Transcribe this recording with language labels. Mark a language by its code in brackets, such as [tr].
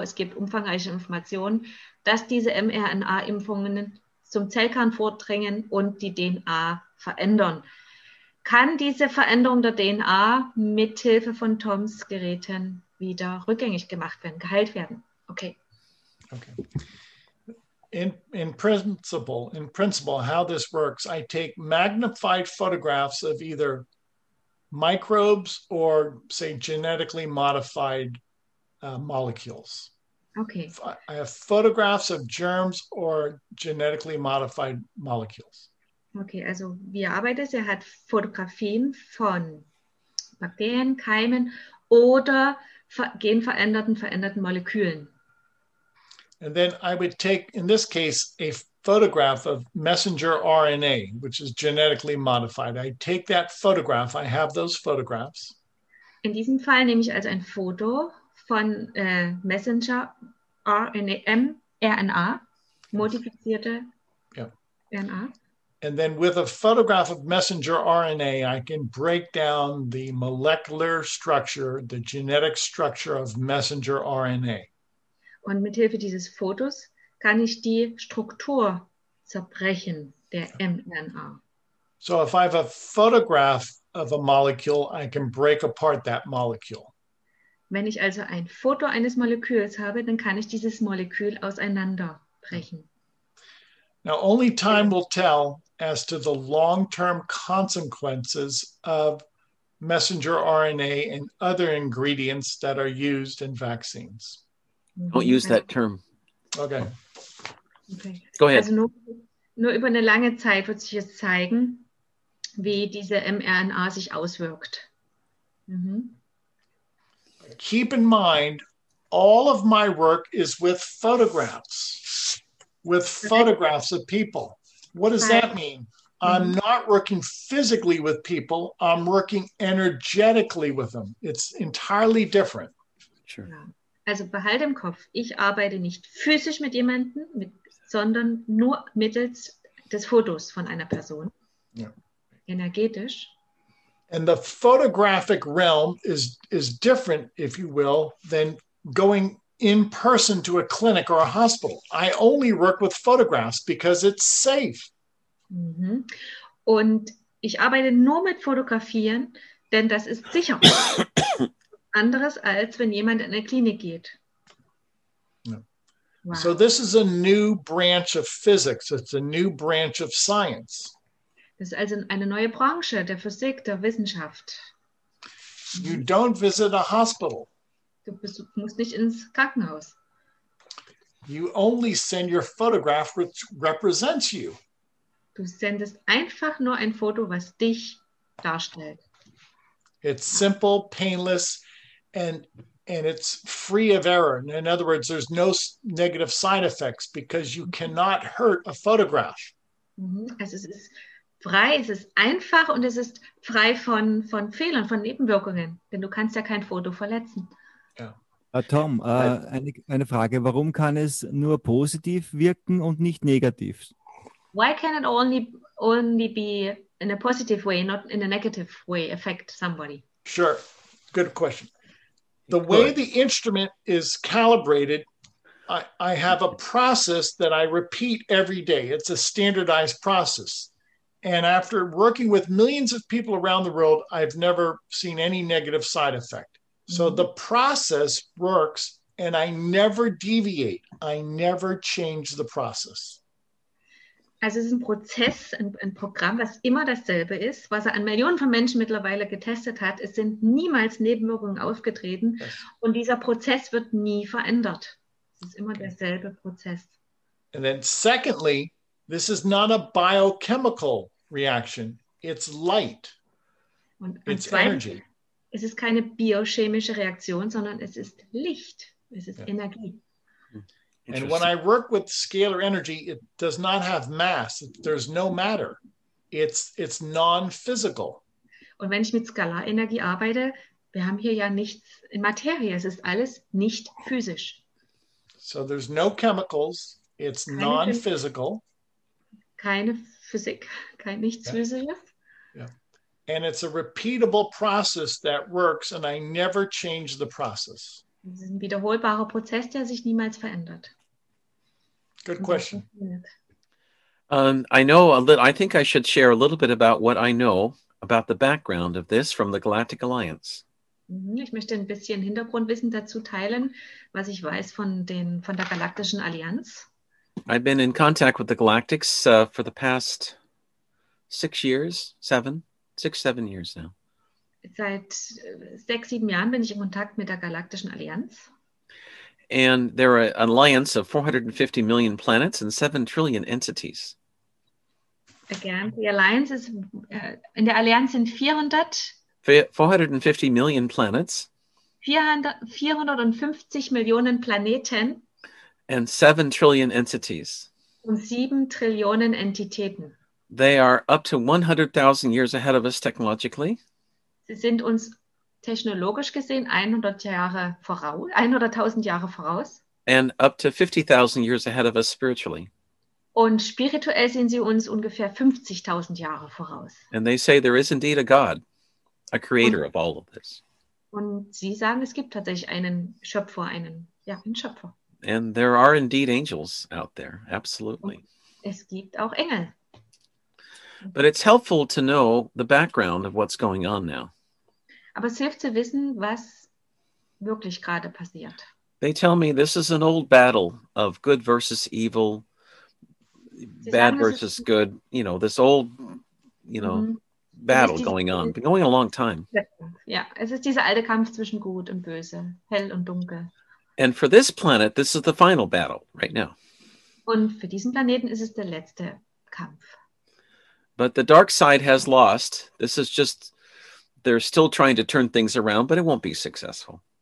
[de] Es gibt umfangreiche Informationen, dass diese mRNA-Impfungen zum Zellkern vordringen und die DNA verändern. Kann diese Veränderung der DNA mithilfe von Toms Geräten wieder rückgängig gemacht werden, geheilt werden? [en] Okay. Okay. In principle, how this works, I take magnified photographs of either microbes or, say, genetically modified molecules. Okay. I have photographs of germs or genetically modified molecules. [de] Okay, also wie er arbeitet, er hat Fotografien von Bakterien, Keimen oder genveränderten Molekülen. [en] And then I would take, in this case, a photograph of messenger RNA, which is genetically modified. I take that photograph. I have those photographs. [de] In diesem Fall nehme ich also ein Foto von messenger RNA, mRNA, modifizierte RNA. [en] And then with a photograph of messenger RNA, I can break down the molecular structure, the genetic structure of messenger RNA. [de] Und mithilfe dieses Fotos kann ich die Struktur zerbrechen, der mRNA. [en] So if I have a photograph of a molecule, I can break apart that molecule. [de] Wenn ich also ein Foto eines Moleküls habe, dann kann ich dieses Molekül auseinanderbrechen. [en] Now only time will tell as to the long-term consequences of messenger RNA and other ingredients that are used in vaccines. Don't use that term. Okay. Go ahead. [de] Also nur über eine lange Zeit wird sich jetzt zeigen, wie diese mRNA sich auswirkt. Mm-hmm. [en] Keep in mind, all of my work is with photographs. With photographs of people. What does that mean? I'm not working physically with people. I'm working energetically with them. It's entirely different. Sure. [de] Also behalte im Kopf, ich arbeite nicht physisch mit jemandem, sondern nur mittels des Fotos von einer Person. [en] Yeah. [de] Energetisch. [en] And the photographic realm is different, if you will, than going in person to a clinic or a hospital. I only work with photographs because it's safe. Mm-hmm. [de] Und ich arbeite nur mit Fotografien, denn das ist sicher. Anderes als wenn jemand in eine Klinik geht. [en] No. Wow. So this is a new branch of physics. It's a new branch of science. [de] Das ist also eine neue Branche der Physik, der Wissenschaft. [en] You don't visit a hospital. [de] Du musst nicht ins Krankenhaus. [en] You only send your photograph which represents you. [de] Du sendest einfach nur ein Foto, was dich darstellt. [en] It's simple, painless, and it's free of error. In other words, there's no negative side effects because you cannot hurt a photograph. [de] Also es ist frei, es ist einfach und es ist frei von Fehlern, von Nebenwirkungen, denn du kannst ja kein Foto verletzen. [en] Yeah. [de] Tom, eine Frage, warum kann es nur positiv wirken und nicht negativ? [en] Why can it only be in a positive way, not in a negative way, affect somebody? Sure, good question. The way the instrument is calibrated, I have a process that I repeat every day. It's a standardized process. And after working with millions of people around the world, I've never seen any negative side effect. So the process works and I never deviate. I never change the process. [de] Also es ist ein Prozess, ein Programm, was immer dasselbe ist, was er an Millionen von Menschen mittlerweile getestet hat. Es sind niemals Nebenwirkungen aufgetreten und dieser Prozess wird nie verändert. Es ist immer derselbe Prozess. [en] And then secondly, this is not a biochemical reaction. It's light. [de] Und [en] it's energy. [de] Es ist keine biochemische Reaktion, sondern es ist Licht. Es ist Energie. [en] And when I work with scalar energy, it does not have mass. There's no matter. It's non-physical. [de] Und wenn ich mit Skalarenergie arbeite, wir haben hier ja nichts in Materie. Es ist alles nicht physisch. [en] So there's no chemicals. It's [de] keine [en] non-physical. [de] Keine Physik. Kein nichts Physisches. [en] Yeah. And it's a repeatable process that works, and I never change the process. [de] Es ist ein wiederholbarer Prozess, der sich niemals verändert. [en] Good question. I know a little. I think I should share a little bit about what I know about the background of this from the Galactic Alliance. [de] Ich möchte ein bisschen Hintergrundwissen dazu teilen, was ich weiß von der Galaktischen Allianz. [en] I've been in contact with the Galactics for the past 6 years, seven years now. [de] Seit 6, 7 Jahren bin ich in Kontakt mit der Galaktischen Allianz. [en] And they're an alliance of 450 million planets and 7 trillion entities. Again, the alliance is in the alliance in 400 450 million planets. [de] 450 Millionen Planeten. [en] And 7 trillion entities. [de] Und 7 Trillionen Entitäten. [en] They are up to 100,000 years ahead of us technologically. [de] Sie sind uns technologisch gesehen 100,000 Jahre voraus. [en] And up to 50,000 years ahead of us spiritually. [de] Und spirituell sehen sie uns ungefähr 50,000 Jahre voraus. [en] And they say there is indeed a God, a creator of all of this. [de] Und sie sagen, es gibt tatsächlich einen Schöpfer, einen Schöpfer. [en] And there are indeed angels out there, absolutely. [de] Und es gibt auch Engel. [en] But it's helpful to know the background of what's going on now. [de] Aber es hilft zu wissen, was wirklich gerade passiert. [en] They tell me this is an old battle of good versus evil, bad versus good, you know, this old, you know, battle going on, been going a long time. [de] Ja, es ist dieser alte Kampf zwischen Gut und Böse, hell und dunkel. [en] And for this planet, this is the final battle right now. [de] Und für diesen Planeten ist es der letzte Kampf. [en] But the dark side has lost. This is just, they're still trying to turn things around, but it won't be successful.